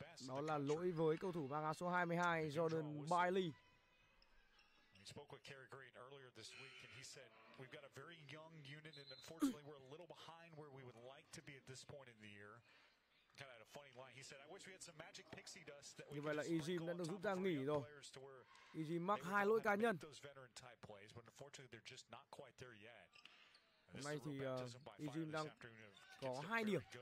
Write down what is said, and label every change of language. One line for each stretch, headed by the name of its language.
Vietnamese: Đó là lỗi với cầu thủ mang áo số 22 Jordan Bailey.
English: He spoke with Kerry Green earlier this week and he said we've got a very young unit and unfortunately we're a little behind where we would like to be at this point in the year. Kind of had a funny line. He said I wish we had some magic pixie dust that we could.
Vietnamese: Vậy là Yijim đã được rút ra nghỉ rồi. Yijim mắc hai lỗi cá nhân.
English: Those veteran type plays, but unfortunately they're just not quite there yet.
Vietnamese: Hôm nay thì Yijim đang có 2 điểm.